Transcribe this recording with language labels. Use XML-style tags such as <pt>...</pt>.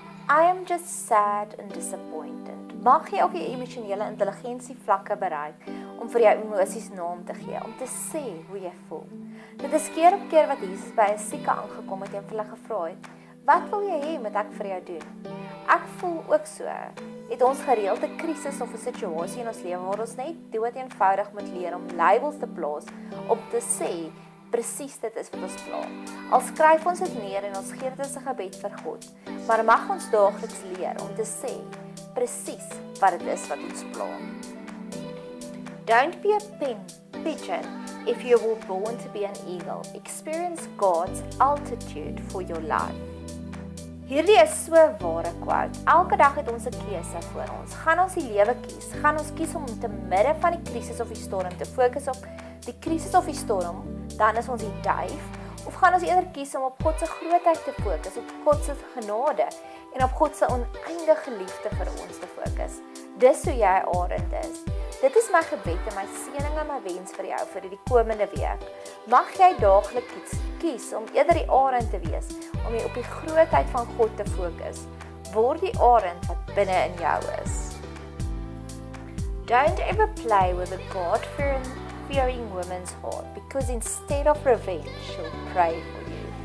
<en>I am just sad and disappointed.</en> <af>Mag jy ook jou emotionele intelligentie vlakke bereik om vir jou emoties naam te gee, om te sê hoe jy voel. Dit is keer op keer wat Jesus by 'n sieke aangekom het en vir hulle gevra het, wat wil jy hê moet ek vir jou doen? Ek voel ook so. Het ons gereelde krisis of 'n situasie in ons lewe waar ons net dood eenvoudig moet leer om labels te plaas om te sê presies dit is wat ons pla. Al skryf ons dit neer en ons gee dit as 'n gebed vir God, maar mag ons daagliks leer om te sê presies wat dit is wat ons pla.</af> <en>Don't be a pigeon if you were born to be an eagle. Experience God's altitude for your life.</en> <af>Hierdie is so 'n ware quote. Elke dag het ons 'n keuse voor ons. Gaan ons die lewe kies? Gaan ons kies om te midde van die krisis of die storm te fokus op die krisis of die storm, dan is ons die duif? Of gaan ons eerder kies om op God se grootheid te fokus, op God se genade en op God se oneindige liefde vir ons te fokus? Dis hoe jy Arend is. Dit is my gebed en my seëning en my wens vir jou vir die komende week. Mag jy daagliks kies om eerder die arend te wees, om jy op die grootheid van God te fokus. Word die arend wat binne in jou is.</af> <en>Don't ever play with a God-fearing woman's heart, because instead of revenge, she'll pray for you.</en>